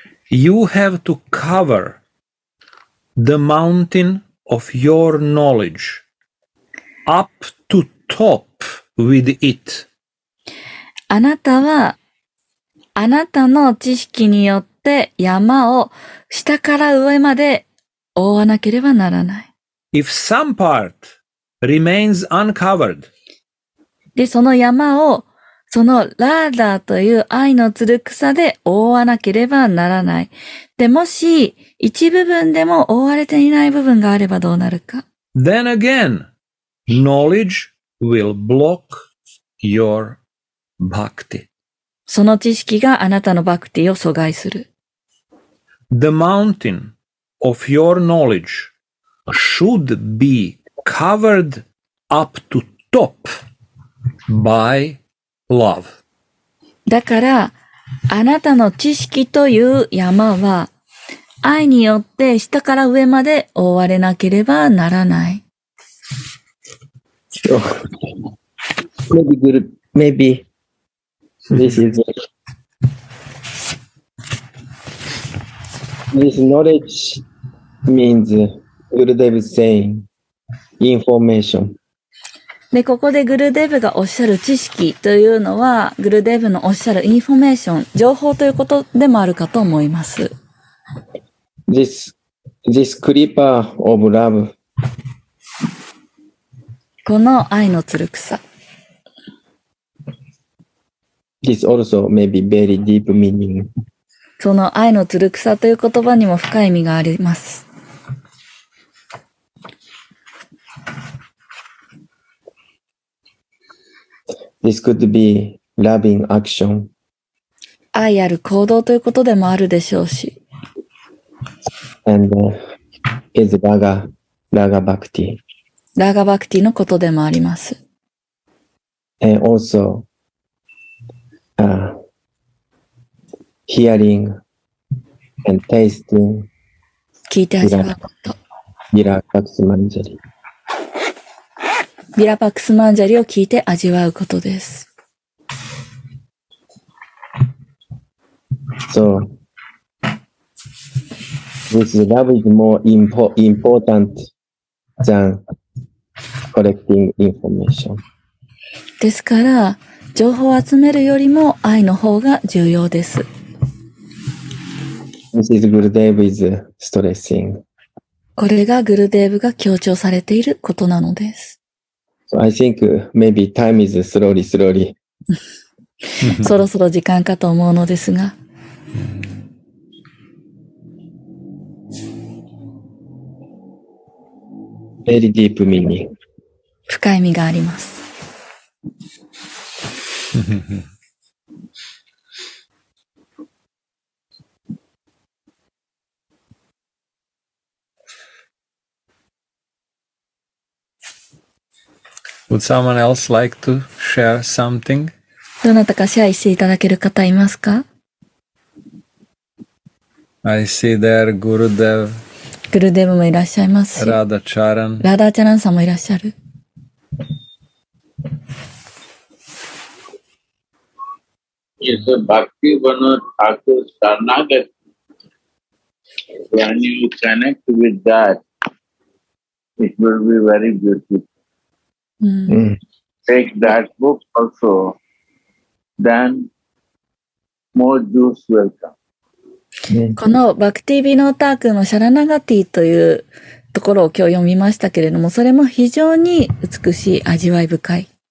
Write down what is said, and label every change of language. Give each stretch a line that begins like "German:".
English: You have to cover the mountain of your knowledge up to top with it.
Japanese: あなたは、あなたの知識によって山を下から上まで覆わなければならない。
English: If some partremains uncovered.
Japanese: で、その山を、そのラーダーという愛のつる草で覆わなければならない。で、もし、一部分でも覆われていない部分があればどうなるか。
English: Then again, knowledge will block your bhakti.
Japanese: その知識があなたのバクティを阻害する。
English: The mountain of your knowledge should beCovered up to top by love.
Japanese: だから、あなたの知識という山は、愛によって下から上まで覆われなければならない。
English: Maybe good. Maybe. This is it. This knowledge means Gurudev is saying. Information.
Japanese: で、ここでグルデブがおっしゃる知識というのは、グルデブのおっしゃるインフォメーション、情報ということでもあるかと思います。
English: This creeper of love.
Japanese: この愛のつる草。
English: This also maybe very deep meaning.
Japanese: その愛のつる草という言葉にも深い意味があります。
English: This could be loving action.
Japanese: 愛ある行動ということでもあるでしょうし。
English: And is Raga Bhakti.
Japanese: Raga Bhakti のことでもあります。
English: And also, hearing and tasting.
Japanese: 聞いて味わうこと。ビラパクスマンジャリ。ビラパクスマンジャリを聞いて味わうことです。
English: So, this love is more important than collecting information.
Japanese: ですから、情報を集めるよりも愛の方が重要です。
English: This is Gurudev is stressing.
Japanese: これがグルデーブが強調されていることなのです。
English: So、I think maybe time is slowly, slowly.
Japanese: そろそろ時間かと思うのですが、
English: Very deep meaning.
Japanese: 深い意味があります。
English: Would someone else like to share something?
Japanese: どなたかシェアしていただける方いますか？
English: I see there Gurudev.
Japanese: Gurudev もいらっしゃいます。
English: Radha Charan.
Japanese: Radha Charan さんもいらっしゃる。
English: Is Bhakti Vana Thakur Sarnagati. When you connect with that, it will be very beautiful. Take that book also, then more juice will come.
Japanese: このバクティ・ビノータークのシャラナガティというところを今日読みましたけれども、それも非常に美しい、味わい深い。